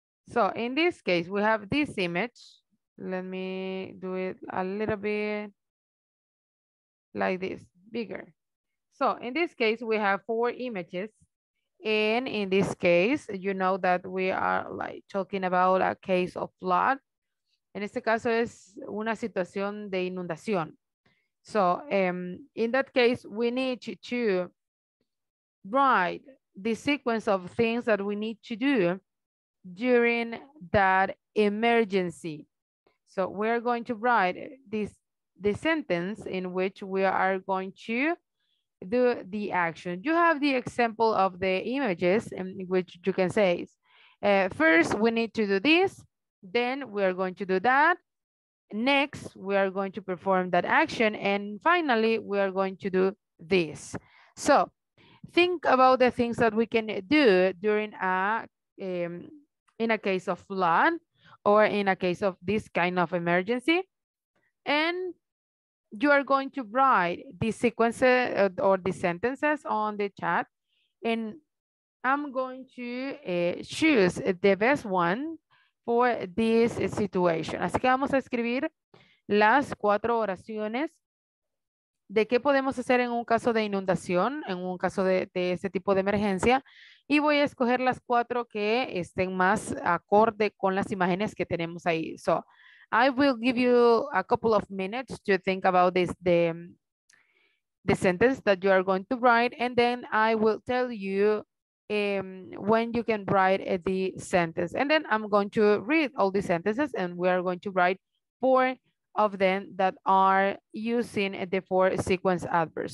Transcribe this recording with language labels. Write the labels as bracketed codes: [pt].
[en] So in this case, we have this image. Let me do it a little bit like this, bigger. So in this case, we have four images. And in this case, you know that we are like talking about a case of flood. [es] En este caso es una situación de inundación. [en] So in that case, we need to write the sequence of things that we need to do during that emergency. So we're going to write the sentence in which we are going to do the action. You have the example of the images in which you can say, first we need to do this, then we are going to do that, next we are going to perform that action, and finally we are going to do this. So think about the things that we can do during a in a case of flood or in a case of this kind of emergency, and you are going to write the sequences or the sentences on the chat, and I'm going to choose the best one for this situation. [es] Así que vamos a escribir las cuatro oraciones de qué podemos hacer en un caso de inundación, en un caso de este tipo de emergencia, y voy a escoger las cuatro que estén más acorde con las imágenes que tenemos ahí. [en] So, I will give you a couple of minutes to think about this, the sentence that you are going to write, and then I will tell you when you can write the sentence. And then I'm going to read all the sentences, and we are going to write four of them that are using the four sequence adverbs.